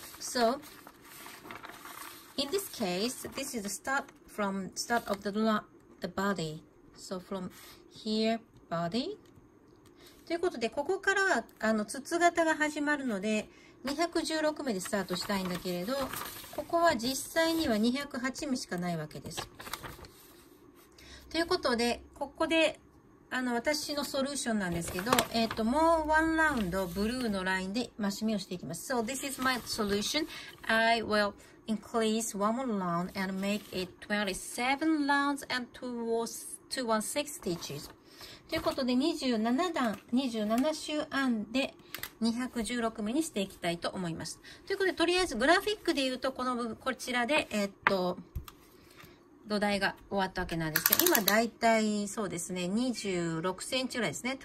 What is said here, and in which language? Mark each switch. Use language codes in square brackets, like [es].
[en] So, in this case, this is the start of the body. So, from here, body. [ja] ということで、ここからは筒型が始まるので、216目でスタートしたいんだけれど、ここは実際には208目しかないわけです。ということで、ここで、私のソリューションなんですけど、もうワンラウンドブルーのラインで増し目をしていきます。 [en] So this is my solution. I will increase one more round and make it 27 rounds and 216 stitches. [ja] ということで27周編んで216目にしていきたいと思います。ということでとりあえずグラフィックで言うとこの部分、こちらで、土台が終わったわけなんですけど、今だいたいそうですね、26センチぐらいですね。